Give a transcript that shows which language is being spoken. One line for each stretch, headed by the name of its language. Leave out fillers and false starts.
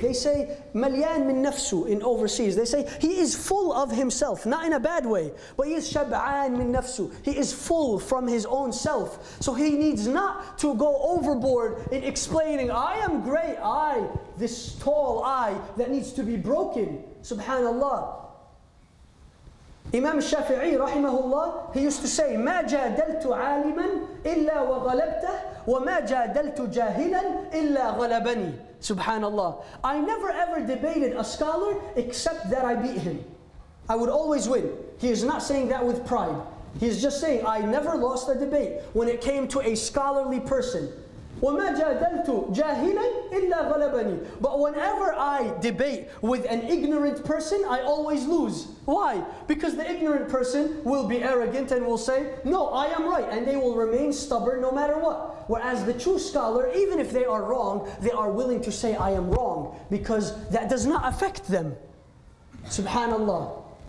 English: They say,
Arabic: مليان من نفسه
English: in overseas. They say, he is full of himself, not in a bad way. But he is
Arabic: شبعان من نفسه.
English: He is full from his own self. So he needs not to go overboard in explaining, I am great, I, this tall I that needs to be broken.
Arabic: SubhanAllah.
English: Imam Shafi'i rahimahullah, he used to say,
Arabic: ما جادلت عالما إلا وغلبته وما جادلت جاهلا إلا غلبني. Subhanallah.
English: I never ever debated a scholar except that I beat him. I would always win. He is not saying that with pride. He is just saying, I never lost a debate when it came to a scholarly person.
Arabic: وما جادلت جاهلا إلا غلبني.
English: But whenever I debate with an ignorant person, I always lose. Why? Because the ignorant person will be arrogant and will say, no, I am right, and they will remain stubborn no matter what. Whereas the true scholar, even if they are wrong, they are willing to say, I am wrong, because that does not affect them. Subhanallah.